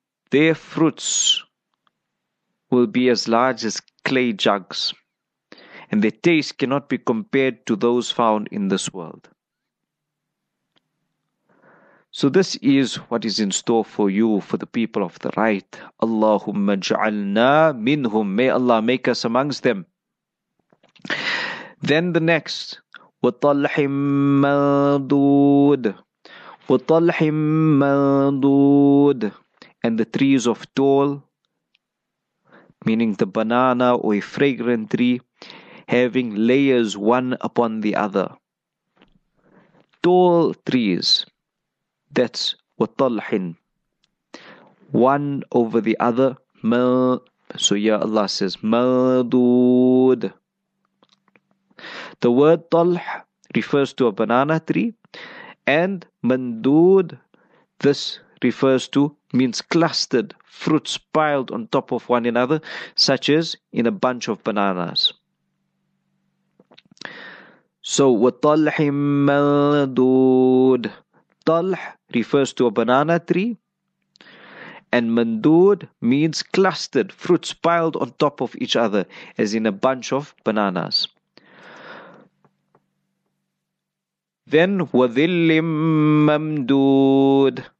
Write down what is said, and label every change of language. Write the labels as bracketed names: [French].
[English] Their fruits will be as large as clay jugs, and their taste cannot be compared to those found in this world. So this is what is in store for you, for the people of the right. [Arabic] Allahumma ja'alna minhum. [English] May Allah make us amongst them. Then the next, [Arabic] وَطَلْحٍ مَنْضُودٍ وَطَلْحٍ مَنْضُودٍ. [English] And the trees of tall, meaning the banana or a fragrant tree, having layers one upon the other. Tall trees, that's وَطَلْحٍ. One over the other, so yeah, Allah says مَنْضُودٍ. The word talh refers to a banana tree, and mandood, this refers to, means clustered fruits piled on top of one another, such as in a bunch of bananas. [Arabic] So, watalhim mandood. [English] Talh refers to a banana tree, and mandood means clustered fruits piled on top of each other, as in a bunch of bananas. [Arabic] Then, وَذِلِّمْ مَمْدُود.